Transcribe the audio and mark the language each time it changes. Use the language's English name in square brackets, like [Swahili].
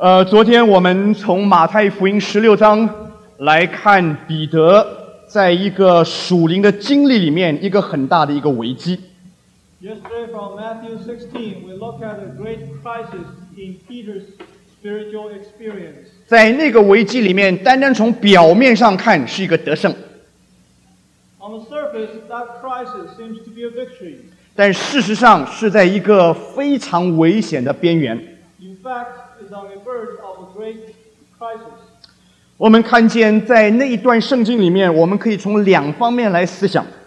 [Chinese] 昨天我们从马太福音十六章来看彼得在一个属灵的经历里面一个很大的一个危机。 [English] Yesterday from Matthew 16, we looked at a great crisis in Peter's spiritual experience. [Chinese] 在那个危机里面，单单从表面上看是一个得胜。 [English] On the surface, that crisis seems to be a victory. [Chinese] 但事实上是在一个非常危险的边缘。 [English] In fact, it's on the verge of a great crisis. [Chinese] 我们看见在那一段圣经里面，我们可以从两方面来思想。